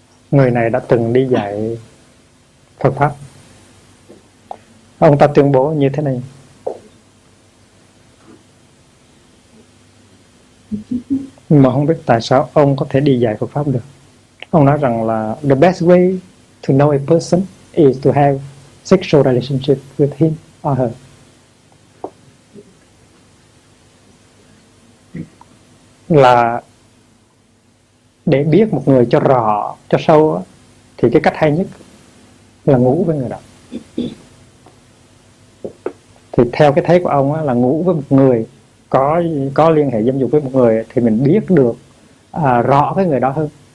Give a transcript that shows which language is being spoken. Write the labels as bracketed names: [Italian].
[Vietnamese] Người này đã từng đi dạy Phật pháp. Ông ta tuyên bố như thế này: mà không biết tại sao ông có thể đi dạy Phật pháp được. Ông nói rằng là [English] the best way to know a person is to have sexual relationship with him or her. [Vietnamese] Là để biết một người cho rõ, cho sâu thì cái cách hay nhất là ngủ với người đó. Thì theo cái thấy của ông là ngủ với một người có liên hệ dâm dục với một người thì mình biết được rõ cái người đó hơn.